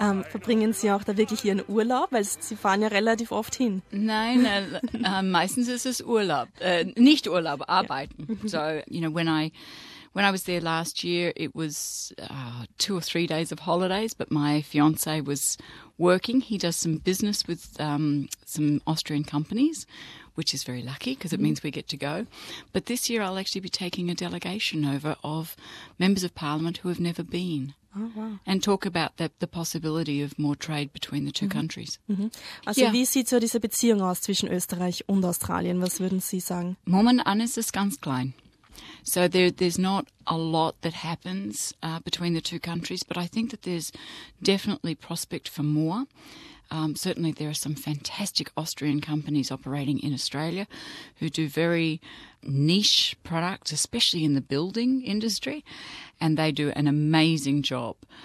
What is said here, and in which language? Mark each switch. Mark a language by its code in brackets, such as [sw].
[de] Verbringen Sie auch da wirklich Ihren Urlaub? Weil Sie fahren ja relativ oft hin. Nein, meistens ist es Urlaub. Nicht Urlaub, arbeiten. Ja. [en] So, you know, when I was there last year, it was 2 or 3 days of holidays, but my fiancé was working. He does some business with some Austrian companies, which is very lucky because it means we get to go. But this year I'll actually be taking a delegation over of members of parliament who have never been. Oh, wow. And talk about the possibility of more trade between the two countries. Mm-hmm. [de] Also, wie sieht so diese Beziehung aus zwischen Österreich und Australien? Was würden Sie sagen? Momentan ist es ganz klein. [en] So there's not a lot that happens between the two countries, but I think that there's definitely prospect for more. Certainly there are some fantastic Austrian companies operating in Australia who do very niche products, especially in the building industry, and they do an amazing job.